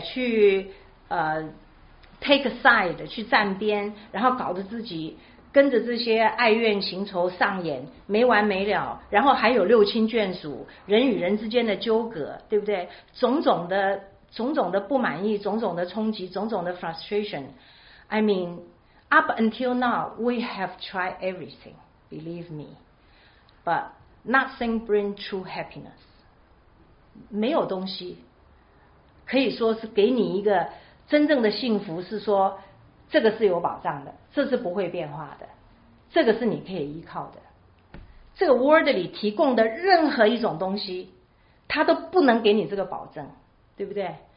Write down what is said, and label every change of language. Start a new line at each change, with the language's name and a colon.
Chinese: 去
English: take a side，
Chinese: 去站边，然后搞得自己跟着这些爱怨情仇上演没完没了，然后还有六亲眷属，人与人之间的纠葛，对不对？种种的不满意，种种的冲击，种种的 frustration。
English: I mean up until now we have tried everything, believe me, but nothing bring true happiness。
Chinese: 没有东西可以说是给你一个真正的幸福，是说这个是有保障的，这是不会变化的，这个是你可以依靠的。这个 world 里提供的任何一种东西，它都不能给你这个保证，对不对？